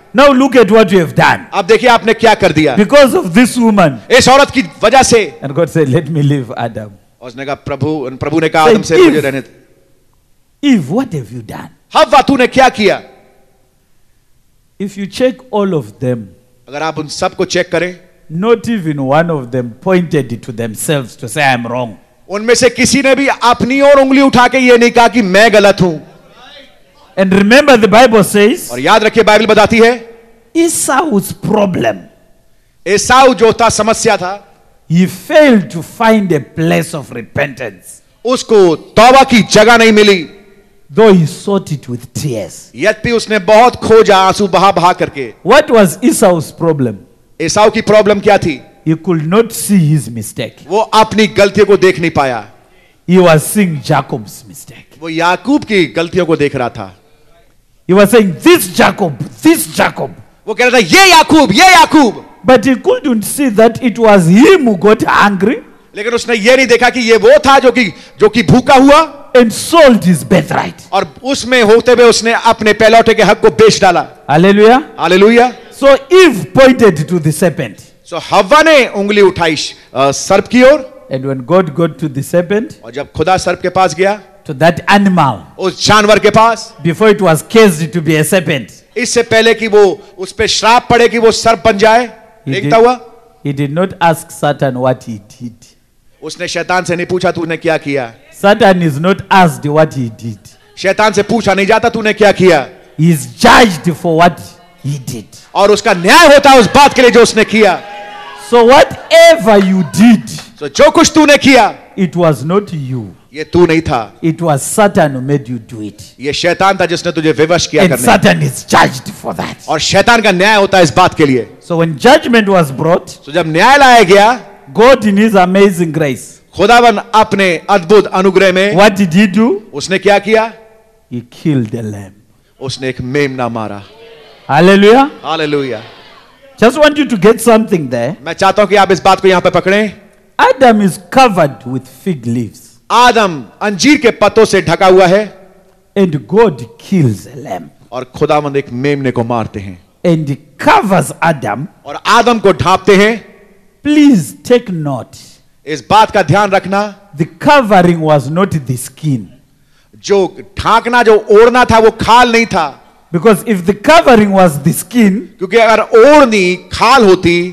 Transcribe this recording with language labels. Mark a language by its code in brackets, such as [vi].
[en] Now look at what you have done. [hi] अब देखिए आपने क्या कर दिया. [en] Because of this woman. [hi] इस औरत की वजह से. [en] And God said, let me leave Adam. [hi] उसने कहा प्रभु, प्रभु ने कहा आदम से मुझे रहने दे. [en] Eve, what have you done? [hi] हव्वा तूने क्या किया? [en] If you check all of them. [hi] अगर आप उन सब को चेक करें. [en] Not even one of them pointed to themselves to say I'm wrong. [hi] उनमें से किसी ने भी अपनी और उंगली उठा के ये नहीं कहा कि मैं गलत हूं. [en] And remember the Bible says. [hi] और याद रखिए बाइबल बताती है. [en] Esau's problem. [hi] Esau जो था समस्या था. [en] He failed to find a place of repentance. [hi] उसको तौबा की जगह नहीं मिली. [en] Though he sought it with tears. [hi] यद्यपि उसने बहुत खोजा आंसू बहा बहा करके. [en] What was Esau's problem? [hi] एसाव की प्रॉब्लम क्या थी? [en] He could not see his mistake. [hi] वो अपनी गलतियों को देख नहीं पाया. [en] He was seeing Jacob's mistake. [hi] वो याकूब की गलतियों को देख रहा था. [en] He was saying, this Jacob. [hi] वो कह रहा था, ये याकूब. [en] But he couldn't see that it was him who got angry. [hi] लेकिन उसने ये नहीं देखा कि ये वो था जो कि भूखा हुआ. [en] And sold his birthright. [hi] और उसमें होते हुए उसने अपने पैलौटे के हक को बेच डाला. [en] Hallelujah. Hallelujah. So Eve pointed to the serpent. [hi] So हव्वा ने उंगली उठाई सर्प की ओर. [en] And when God got to the serpent, [hi] और जब खुदा सर्प के पास गया, [en] to that animal, [hi] उस जानवर के पास, [en] before it was cursed to be a serpent, [hi] इससे पहले कि वो उस पे श्राप पड़े कि वो सर्प बन जाए, देखता हुआ, [en] he did not ask Satan what he did. [hi] उसने शैतान से नहीं पूछा तूने क्या किया. [en] Satan is not asked what he did. [hi] शैतान से पूछा नहीं जाता तूने क्या किया. [en] He is judged for what he did. [hi] और उसका न्याय होता है उस बात के लिए जो उसने किया. [en] So whatever you did, [hi] so जो कुछ तूने किया, [en] it was not you. [hi] ये तू नहीं था. [en] It was Satan who made you do it. [hi] ये शैतान था जिसने तुझे विवश किया करने. [en] And Satan is judged for that. [hi] और शैतान का न्याय होता है इस बात के लिए. [en] So when judgment was brought, [hi] so जब न्याय लाया गया, [en] God in His amazing grace, [hi] खुदावन अपने अद्भुत अनुग्रह में, [en] what did He do? [hi] उसने क्या किया? [en] He killed the lamb. [hi] उसने एक मेमना मारा. [en] Hallelujah. Hallelujah. Just want you to get something there. [hi] मैं चाहता हूँ कि आप इस बात को यहाँ पे पकड़ें. [en] Adam is covered with fig leaves. [hi] आदम अंजीर के पत्तों से ढका हुआ है. [en] And God kills a lamb. [hi] और खुदावन एक मेमने को मारते हैं. [en] And covers Adam. [hi] और आदम को ढांपते हैं. [en] Please take note. [hi] इस बात का ध्यान रखना. [en] The covering was not the skin. [hi] जो ढांकना, जो ओढ़ना था, वो खाल नहीं था. [en] Because if the covering was the skin, [hi] क्योंकि अगर ओढ़नी खाल होती,